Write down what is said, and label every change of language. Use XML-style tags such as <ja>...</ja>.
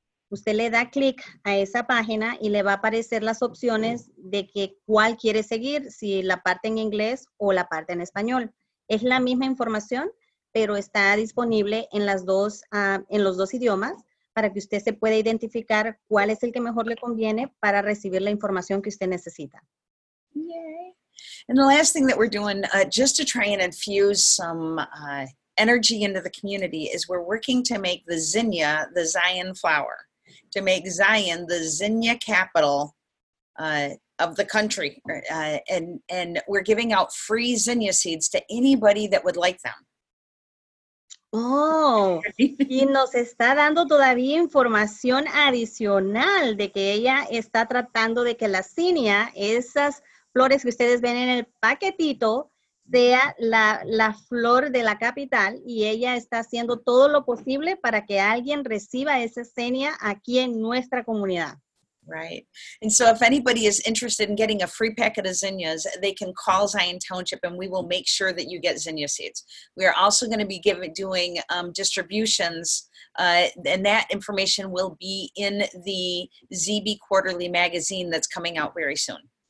<es>Usted le da clic a esa página y le va a aparecer las opciones de que cuál quiere seguir, si la parte en inglés o la parte en español. Es la misma información, pero está disponible en los dos idiomas. para que usted se pueda identificar cuál es el que mejor le conviene para recibir la información que usted necesita. Yay.</es> <en>And the last thing that we're doing, just to try and infuse some energy into the community, is we're working to make the zinnia the Zion flower, to make Zion the zinnia capital of the country. And we're giving out free zinnia seeds to anybody that would like them.</en> <es>Oh, y nos está dando todavía información adicional de que ella está tratando de que la zinnia, esas flores que ustedes ven en el paquetito, sea la flor de la capital, y ella está haciendo todo lo posible para que alguien reciba esa zinnia aquí en nuestra comunidad.</es> <en>Right. And so if anybody is interested in getting a free packet of zinnias, they can call Zion Township and we will make sure that you get zinnia seeds. We are also going to be doing distributions, and that information will be in the ZB Quarterly magazine that's coming out very soon.</en>